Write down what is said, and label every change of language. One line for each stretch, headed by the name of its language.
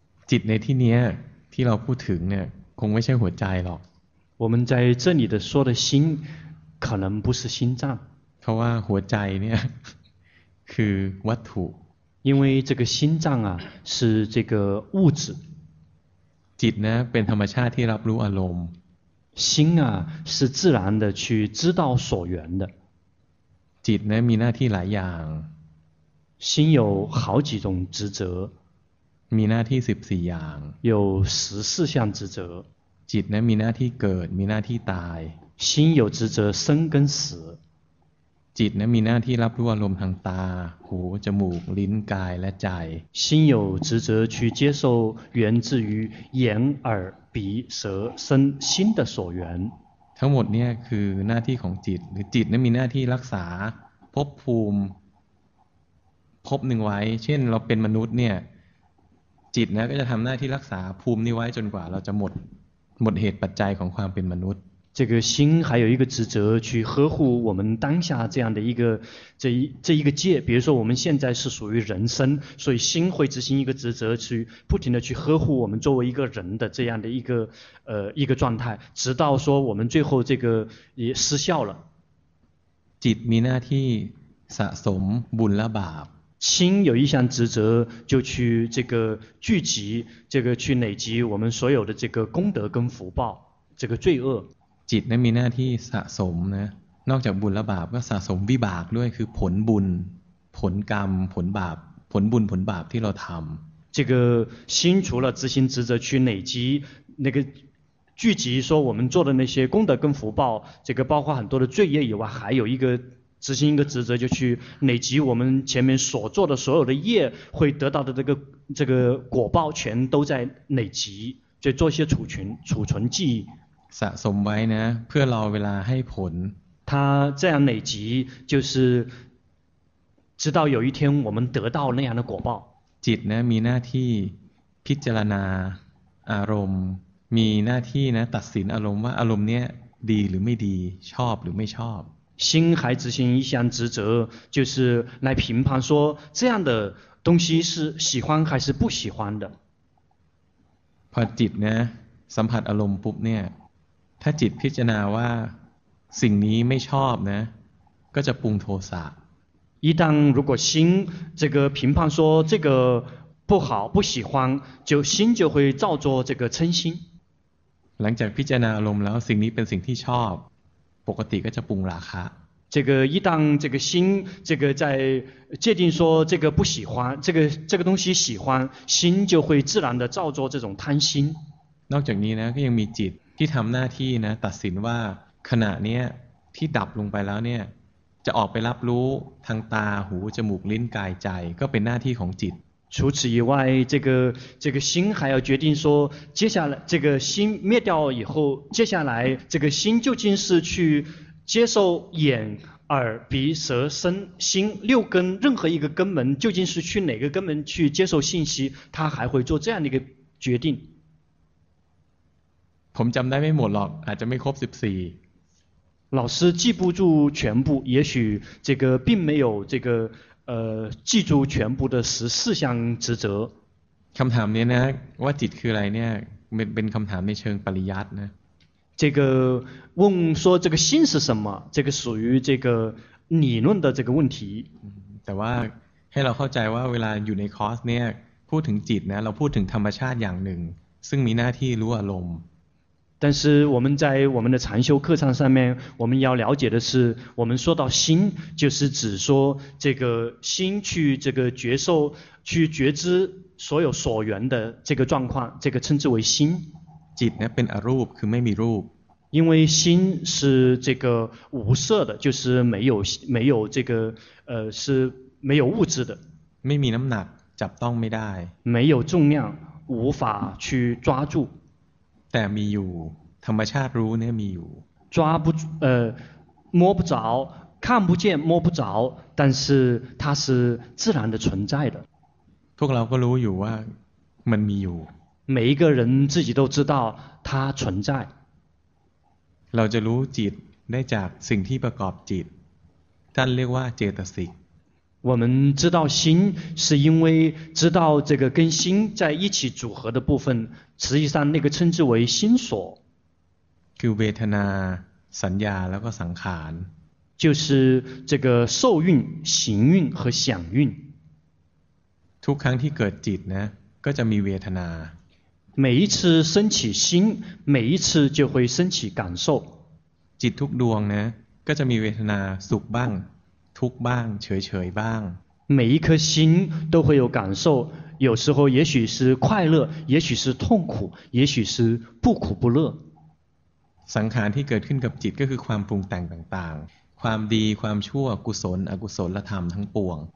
Thai: จิตในที่นี้ที่เราพูดถึงเนี่ยคงไม่ใช่หัวใจหรอก
Chinese: 我们在这里的说的心可能不是心脏
Thai: เพราะว่าหัวใจเนี่ยคือวัตถุ
Chinese: 因为这个心脏啊是这个物质
Thai: จิตนะเป็นธรรมชาติที่รับรู้อารมณ์
Chinese: 心啊是自然的去知道所缘的
Thai: จิต呢มีหน้าที่หลายอย่าง
Chinese: 心有好几种职责
Thai: มีหน้าที่14อย่าง
Chinese: 有14项职责
Thai: จิต呢มีหน้าที่เกิดมีหน้าที่ตาย
Chinese: 心有职责生跟死
Thai: จิต呢มีหน้าที่รับรู้อารมณ์ทางตาหูจมูกลิ้นกายและใจ
Chinese: 心有职责去接受源自于眼耳鼻舌身心的所缘
Thai: ทั้งหมดเนี่ยคือหน้าที่ของจิตหรือจิตเนี่ยมีหน้าที่รักษาภพภูมิภพนึงไว้เช่นเราเป็นมนุษย์เนี่ยจิตนะก็จะทำหน้าที่รักษาภูมินี้ไว้จนกว่าเราจะหมดเหตุปัจจัยของความเป็นมนุษย์
Chinese: 这个心还有一个职责去呵护我们当下这样的一个这一个界比如说我们现在是属于人身所以心会执行一个职责去不停的去呵护我们作为一个人的这样的一个状态直到说我们最后这个也失效了
Thai: จิตมีหน้าที่สะสมบุญและบาป
Chinese: 心有一项职责就去这个聚集这个去累积我们所有的这个功德跟福报这个罪恶
Thai: จิตนั้นมีหน้าที่สะสมนะนอกจากบุญและบาปก็สะสมวิบากด้วยคือผลบุญผลกรรมผลบาปผลบุญผลบาปที่เราทำ
Chinese: 这个心除了执行职责去累积那个聚集说我们做的那些功德跟福报，这个包括很多的罪业以外，还有一个执行一个职责，就去累积我们前面所做的所有的业会得到的这个果报，全都在累积，就做一些储存记忆。
Thai: สะสมไว้นะเพื่อรอเวลาให้ผล。
Chinese: 他这样累积，就是直到有一天我们得到那样的果报。
Thai: จิตนะมีหน้าที่พิจารณาอารมณ์มีหน้าที่นะตัดสินอารมณ์ว่าอารมณ์เนี้ยดีหรือไม่ดีชอบหรือไม่ชอบ
Chinese: 心还执行一项职责，就是来评判说这样的东西是喜欢还是不喜欢的。
Thai: พอจิตนะสัมผัสอารมณ์ปุ๊บเนี่ยถ้าจิตพิจารณาว่าสิ่งนี้ไม่ชอบนะก็จะปรุงโทสะ
Chinese: 一旦如果心这个评判说这个不好不喜欢，就心就会造作这个嗔心。
Thai: หลังจากพิจารณาอารมณ์แล้วสิ่งนี้เป็นสิ่งที่ชอบปกติก็จะปรุงราคะ
Chinese: 这个一旦这个心这个在界定说这个不喜欢这个东西喜欢，心就会自然的造作这种贪心。
Thai: นอกจากนี้นะก็ยังมีจิตที่ทำหน้าที่นะตัดสินว่าขณะเนี้ยที่ดับลงไปแล้วเนี่ยจะออกไปรับรู้ทางตาหูจมูกลิ้นกายใจก็เป็นหน้าที่ของจิต
Chinese: 除此以外这个心还要决定说接下来这个心灭掉以后接下来这个心究竟是去接受眼耳鼻舌身心六根任何一个根本究竟是去哪个根本去接受信息他还会做这样的一个决定
Thai: ผมจำได้ไม่หมดหรอกอาจจะไม่ครบ14
Chinese: 老师记不住全部也许这个并没有这个记住全部的14项职责
Thai: คำถามนี้นะว่าจิตคืออะไรเนี่ยเป็นคำถามในเชิงปริยัตินะ
Chinese: 这个问说这个心是什么这个属于这个理论的这个问题
Thai: แต่ว่าให้เราเข้าใจว่าเวลาอยู่ในคอร์สเนี่ยพูดถึงจิตนะเราพูดถึงธรรมชาติอย่างหนึ่งซึ่งมีหน้าที่รู้อารมณ์
Chinese: 但是我们在我们的禅修课程上面我们要了解的是我们说到心就是指说这个心去这个觉受去觉知所有所缘的这个状况这个称之为心
Thai: จิตเนี่ยเป็นอรูปคือไม่มีรูป
Chinese: 因为心是这个无色的就是没有这个是没有物质的
Thai: ไม่มีน้ำหนักจับต้องไม่ได้
Chinese: 没有重量无法去抓住
Thai: แต่มีอยู่ธรรมชาติรู้เนี่ยมีอยู่
Chinese: 抓不摸不着看不见摸不着但是它是自然的存在的
Thai: พวกเราก็รู้อยู่ว่ามันมีอยู่
Chinese: 每一个人自己都知道它存在
Thai: เราจะรู้จิตได้จากสิ่งที่ประกอบจิตท่านเรียกว่าเจตสิก
Chinese: 我们知道心是因为知道这个跟心在一起组合的部分实际上那个称之为心所
Thai: คือเวทนาสัญญาแล้วก็สังขาร
Chinese: 就是这个受蕴行蕴和想蕴
Thai: ทุกครั้งที่เกิดจิตนะก็จะมีเวทนา
Chinese: 每一次升起心每一次就会升起感受
Thai: จิตทุกดวงนะก็จะมีเวทนาสุขบ้างทุกบ้างเฉยๆบ้าง
Chinese: 每一颗心都会有感受有时候也许是快乐也许是痛苦也许是不苦不乐
Thai: สังขารที่เกิดขึ้นกับจิตก็คือความปรุงแต่งต่างๆความดีความชั่วกุศลอกุศลและธรรมทั้งปวง